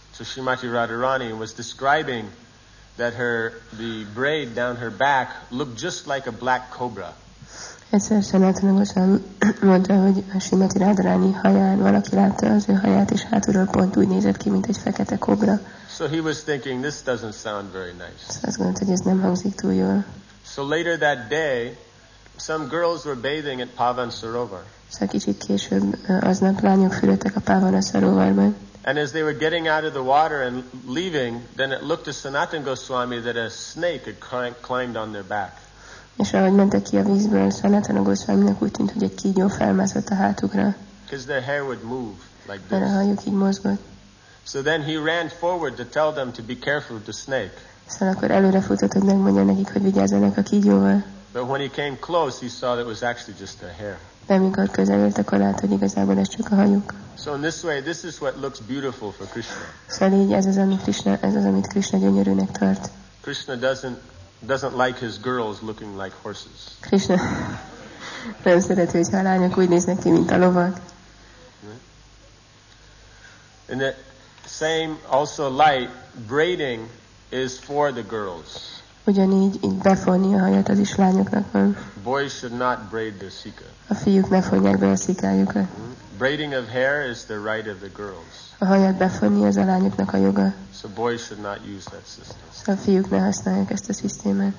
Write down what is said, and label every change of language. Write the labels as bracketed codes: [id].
[en] So Srimati Radharani was describing that the braid down her back looked just like a black cobra. [hu] Egyszer Sanatana Goswami mondta, hogy a Srimati Radharani haján valaki látta az ő haját, és hátulról pont úgy nézett ki, mint egy fekete kobra. [en] So he was thinking, this doesn't sound very nice. [hu] Azt gondolta, hogy ez nem hangzik túl jól. [en] So later that day, some girls were bathing at Pavan Sarovar. [hu] Szóval kicsit később aznap lányok fürdöttek a Pavana Sarovarban. [en] And as they were getting out of the water and leaving, then it looked to Sanatan Goswami that a snake had climbed on their back. [hu] És ahogy mentek ki a vízből, Sanatana Goswaminak úgy tűnt, hogy egy kígyó felmászott a hátukra. [en] Because their hair would move like this. [hu] Mert a hajuk így mozgott. [en] So then he ran forward to tell them to be careful of the snake. [hu] Szóval akkor előre futott, hogy megmondja nekik, hogy vigyázzanak a kígyóval. [en] But when he came close, he saw that it was actually just their hair. [hu] De amikor közelült, akkor látta, hogy igazából ez csak a hajuk. [en] So in this way, this is what looks beautiful for Krishna. [hu] Szóval így ez az, amit Krishna gyönyörűnek tart. [en] Krishna doesn't like his girls looking like horses. [hu] Krishna nem szereti, hogy a lányok úgy néznek ki, mint a lovak. [en] In the same also light, braiding is for the girls. [hu] Ugyanígy így befonni a hajat, az is lányoknak van. [en] Boys should not braid their sika. [hu] A fiúk ne fonják be a szikájukat. [en] Braiding of hair is the right of the girls. [hu] A hajat befonni az a lányoknak a joga. [en] So boys should not use that system. [hu] Szóval a fiúk ne használják ezt a szisztémát.